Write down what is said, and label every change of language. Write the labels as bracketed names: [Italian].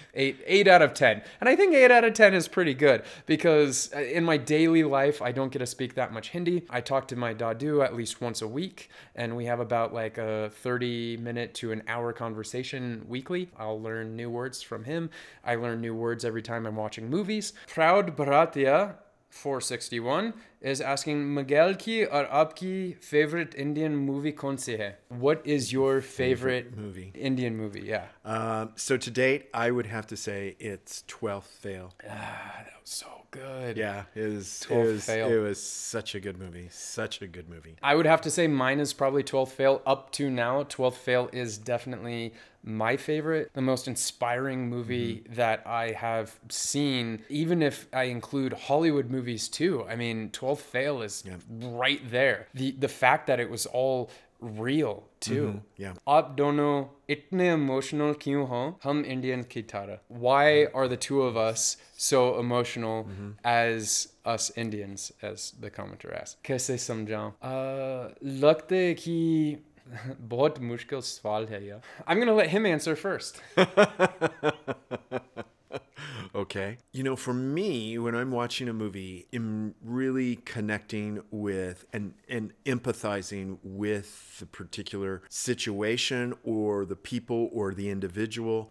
[English] Eight out of 10. And I think 8 out of 10 is pretty good, because in my daily life, I don't get to speak that much Hindi. I talk to my dadu at least once a week, and we have about like a 30 minute to an hour conversation weekly. I'll learn new words from him. I learn new words every time I'm watching movies. Proud Bharatiya 461 is asking, [Hindi] Miguel की और आपकी favorite Indian movie कौन सी है? [English] What is your favorite movie? Indian movie, yeah. So to date, I would have to say it's 12th Fail. That was so good. Yeah, it was such a good movie. Such a good movie. I would have to say mine is probably 12th Fail up to now. 12th Fail is definitely my favorite, the most inspiring movie that I have seen, even if I include Hollywood movies too. I mean, 12th Fail is right there. The fact that it was all real too. Mm-hmm. Yeah. [Hindi] आप दोनों इतने emotional क्यों हो? हम Indian की तरा. [English] Why are the two of us so emotional as us Indians, as the commenter asked? [Hindi] कैसे समझाओ? लगता है कि बहुत मुश्किल सवाल है या. [English] I'm going to let him answer first. Okay. You know, for me, when I'm watching a movie, I'm really connecting with and empathizing with the particular situation or the people or the individual.